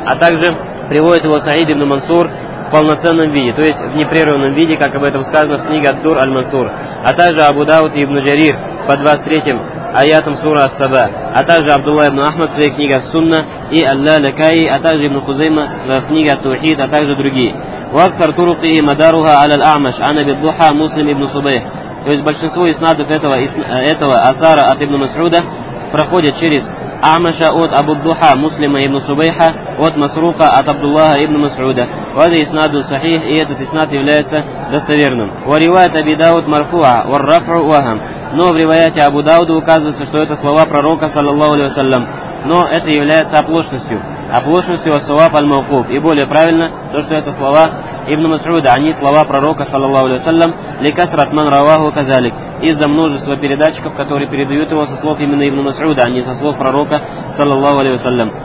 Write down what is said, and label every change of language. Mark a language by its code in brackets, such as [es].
[ru] А также приводит его Саид ибн Мансур в полноценном виде, то есть в непрерывном виде, как об этом сказано в книге Ат-Тур Аль-Мансур. А также Абу Дауд ибн Джарир по 23-м аятам сура Ас-Саба. А также Абдулла ибн Ахмад в своей книге Ас-Сунна и Ал-Ла-Лакайи, а также ибн Хузейма в книге Ат-Тухид, а также другие. [ar] وأكثر طرقه مدارها على الأعمش عن أبي الضحى مسلم ابن صبيح. [ru] То есть большинство иснадов этого асара от ибн Масуда проходят через Амаша от Абу Духа Муслима ибн Субейха, от Масрука от Абдуллаха ибн Масуда. Вот иснаду сахих, и этот иснад является достоверным. [ar] وروايات أبي داود مرفوعة والرفع وهم. [ru] Но в ривайате Абу Дауда указывается, что это слова пророка саллаллаху алейхи ва саллям, но это является оплошностью. Оплошностью [ar] ас-саваб аль-мавкуф. [ru] И более правильно то, что это слова ибн Масуда, а не слова пророка саллаллаху алейхи ва саллям, [ar] ликасрат ман раваху казалик, [ru] из-за множества передатчиков, которые передают его со слов именно ибн Масуда, а не со слов пророка саллаллаху алейхи ва саллям.